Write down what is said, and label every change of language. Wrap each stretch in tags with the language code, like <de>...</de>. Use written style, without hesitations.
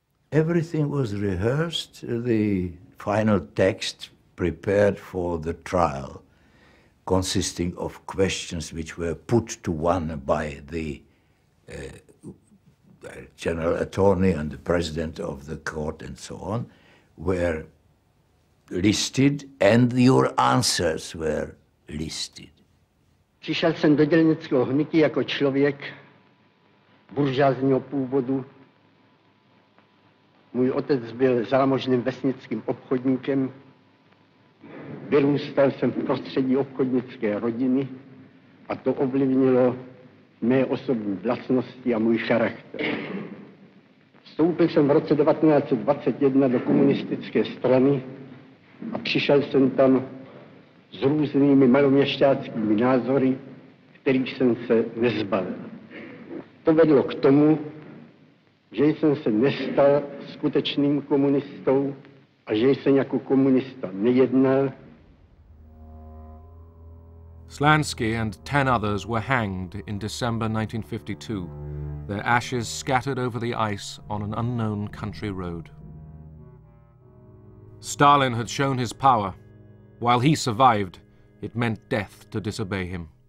<en>Everything was rehearsed, the final text prepared for the trial, consisting of questions which were put to one by the general attorney and the president of the court and so on, were listed and your answers were listed.</en> <cs>Přišel jsem do dělnického hnutí jako člověk buržoázního původu. Můj otec byl zámožným vesnickým obchodníkem. Vyrůstal jsem v prostředí obchodnické rodiny a to ovlivnilo mé osobní vlastnosti a můj charakter. Vstoupil jsem v roce 1921 do komunistické strany a přišel jsem tam s různými maloměšťáckými názory, kterých jsem se nezbavil. To vedlo k tomu, že jsem se nestal skutečným komunistou a že jsem jako komunista nejednal.</cs> <en>Slansky and 10 others were hanged in December 1952, their ashes scattered over the ice on an unknown country road. Stalin had shown his power. While he survived, it meant death to disobey him.</en>